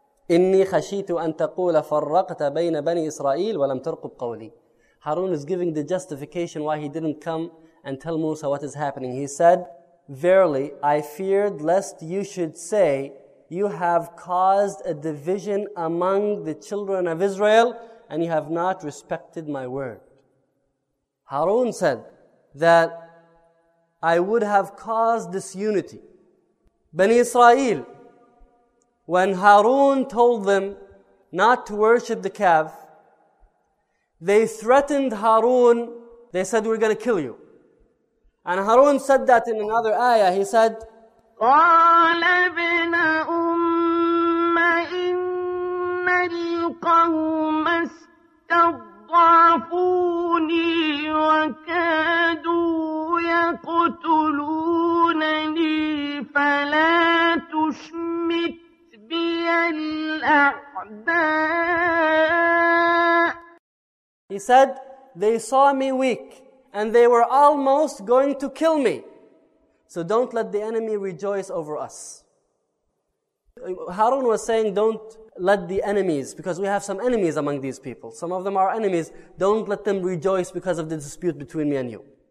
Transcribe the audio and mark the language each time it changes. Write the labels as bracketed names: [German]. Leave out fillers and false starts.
[Arabic] إني خشيت أن تقول فرقت بين بني إسرائيل ولم ترقب قولي. [English] Harun is giving the justification why he didn't come and tell Musa what is happening. He said, verily, I feared lest you should say you have caused a division among the children of Israel and you have not respected my word. Harun said that I would have caused disunity. Bani Israel, When Harun told them not to worship the calf, they threatened Harun. They said, "We're going to kill you." And Harun said that in another ayah. He said, [Arabic] قال ابن أم إن القوم استضعفوني وكادوا يقتلونني فلا تشمت بي الأعداء. [English] He said, they saw me weak and they were almost going to kill me. So don't let the enemy rejoice over us. Harun was saying, don't let the enemies, because we have some enemies among these people. Some of them are enemies. Don't let them rejoice because of the dispute between me and you.